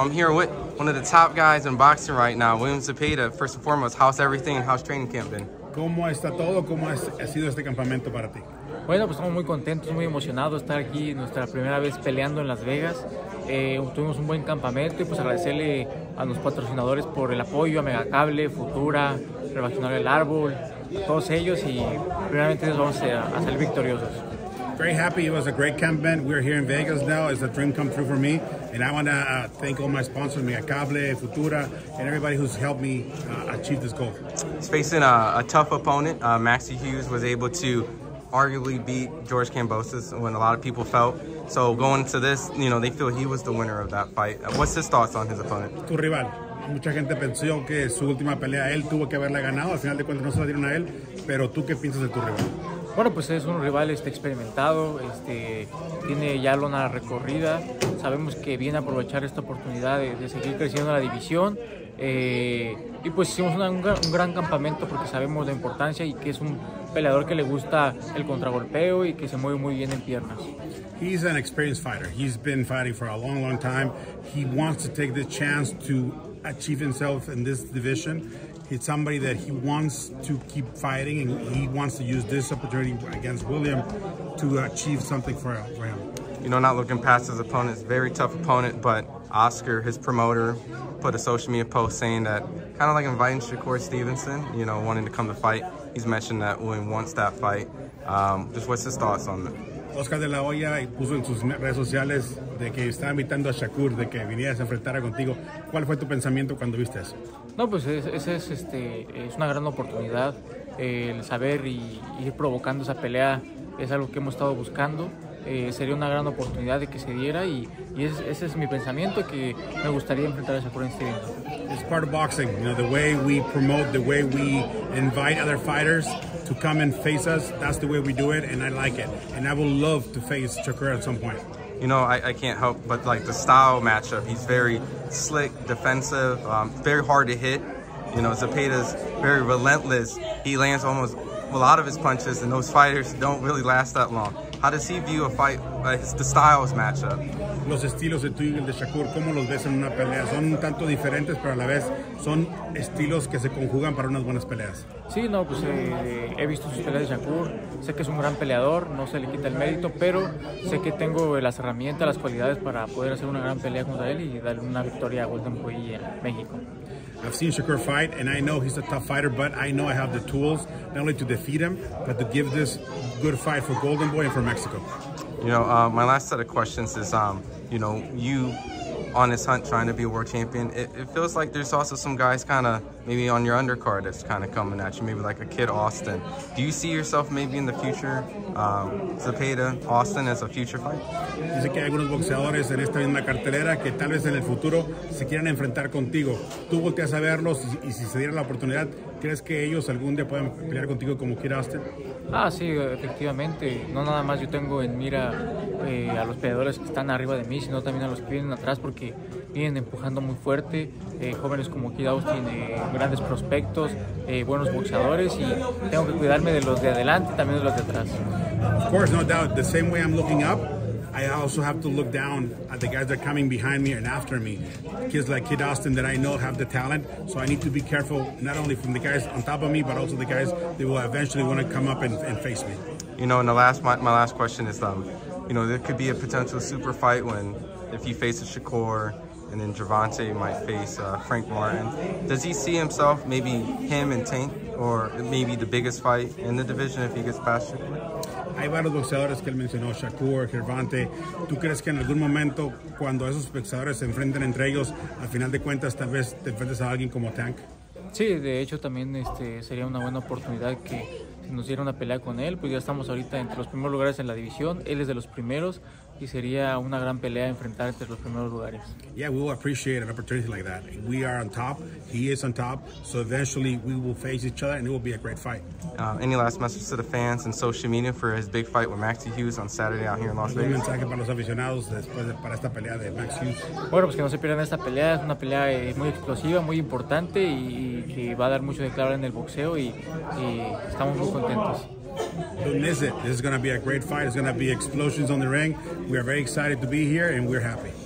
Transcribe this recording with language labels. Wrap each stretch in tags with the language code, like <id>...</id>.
<en>I'm here with one of the top guys in boxing right now, William Zepeda. First and foremost, how's everything and how's training camp been?</en> <es>¿Cómo está todo? ¿Cómo ha sido este campamento para ti? Bueno, pues estamos muy contentos, muy emocionados de estar aquí, nuestra primera vez peleando en Las Vegas. Tuvimos un buen campamento y pues agradecerle a los patrocinadores por el apoyo, a Megacable, Futura, Revacional El Árbol, a todos ellos, y primeramente nos vamos a salir victoriosos.</es> <en>Very happy. It was a great campaign. We're here in Vegas now. It's a dream come true for me. And I want to thank all my sponsors, Megacable, Futura, and everybody who's helped me achieve this goal. He's facing a tough opponent. Maxi Hughes was able to arguably beat George Kambosos when a lot of people felt. So going to this, you know, they feel he was the winner of that fight. What's his thoughts on his opponent?</en> <es>Tu rival. Mucha gente pensó que su última pelea él tuvo que haberla ganado. Al final de cuentas no se la dieron a él. Pero tú, ¿qué piensas de tu rival? Bueno, pues es un rival experimentado, tiene ya una recorrida. Sabemos que viene a aprovechar esta oportunidad de seguir creciendo la división. Y pues hicimos un gran campamento porque sabemos la importancia y que es un peleador que le gusta el contragolpeo y que se mueve muy bien en piernas.</es> <en>He's an experienced fighter. He's been fighting for a long, long time. He wants to take this chance to achieve himself in this division. It's somebody that he wants to keep fighting, and he wants to use this opportunity against William to achieve something for him. You know, not looking past his opponent, very tough opponent, but Oscar, his promoter, put a social media post saying that, kind of like inviting Shakur Stevenson, you know, wanting to come to fight. He's mentioned that William wants that fight. Just what's his thoughts on that?</en> <es>Oscar de la Hoya puso en sus redes sociales de que estaba invitando a Shakur, de que viniera a enfrentar contigo. ¿Cuál fue tu pensamiento cuando viste eso? No, pues es una gran oportunidad. El saber y ir provocando esa pelea es algo que hemos estado buscando. Sería una gran oportunidad de que se diera y ese es mi pensamiento, que me gustaría enfrentar a Shakur en este evento.</es> <en>It's part of boxing, you know, the way we promote, the way we invite other fighters to come and face us, that's the way we do it, and I like it. And I would love to face Shakur at some point. You know, I can't help but like the style matchup. He's very slick, defensive, very hard to hit. You know, Zepeda's very relentless. He lands almost a lot of his punches, and those fighters don't really last that long. How does he view a fight, the styles matchup?</en> <es>Los estilos de tú y el de Shakur, ¿cómo los ves en una pelea? Son un tanto diferentes, pero a la vez son estilos que se conjugan para unas buenas peleas. Sí, no, pues he visto sus peleas de Shakur. Sé que es un gran peleador, no se le quita el mérito, pero sé que tengo las herramientas, las cualidades para poder hacer una gran pelea contra él y darle una victoria a Golden Boy en México.</es> <en>I've seen Shakur fight, and I know he's a tough fighter, but I know I have the tools not only to defeat him, but to give this good fight for Golden Boy and for Mexico. You know, my last set of questions is, you know, you on this hunt trying to be a world champion, it feels like there's also some guys kind of maybe on your undercard that's kind of coming at you, maybe like a Kid Austin. Do you see yourself maybe in the future, Zepeda, Austin, as a future fight?</en> <es>Dice que hay algunos boxeadores en esta misma cartelera que tal vez en el futuro se quieran enfrentar contigo. Tú volteas a verlos y si se diera la oportunidad, ¿crees que ellos algún día puedan pelear contigo como Kid Austin? Ah, sí, efectivamente. No nada más yo tengo en mira a los peleadores que están arriba de mí, sino también a los que vienen atrás, porque vienen empujando muy fuerte. Jóvenes como Kid Austin, grandes prospectos, buenos boxeadores, y tengo que cuidarme de los de adelante y también de los de atrás.</es> <en>Of course, no doubt. The same way I'm looking up, I also have to look down at the guys that are coming behind me and after me. Kids like Kid Austin that I know have the talent, so I need to be careful not only from the guys on top of me, but also the guys that will eventually want to come up and face me. You know, and the last, my last question is, you know, there could be a potential super fight when if he faces Shakur, and then Gervonta might face Frank Martin. Does he see himself, maybe him and Tank, or maybe the biggest fight in the division if he gets past Shakur?</en> <es>Hay varios boxeadores que él mencionó, Shakur, Gervonta. ¿Tú crees que en algún momento, cuando esos boxeadores se enfrenten entre ellos, al final de cuentas, tal vez te enfrentes a alguien como Tank? Sí, de hecho, también sería una buena oportunidad que nos diera una pelea con él, pues ya estamos ahorita entre los primeros lugares en la división, él es de los primeros, y sería una gran pelea enfrentar entre los primeros lugares.</es> <en>Yeah, we will appreciate an opportunity like that. We are on top, he is on top, so eventually we will face each other and it will be a great fight. Any last message to the fans and social media for his big fight with Maxi Hughes on Saturday out here in Las Vegas?</en> <es>Mensaje para los aficionados después de para esta pelea de Max Hughes. Bueno, pues que no se pierdan esta pelea, es una pelea muy explosiva, muy importante, y que va a dar mucho de claro en el boxeo, y estamos muy contentos.</es> <en>who miss it. This is going to be a great fight. It's going to be explosions on the ring. We are very excited to be here, and we're happy.</en>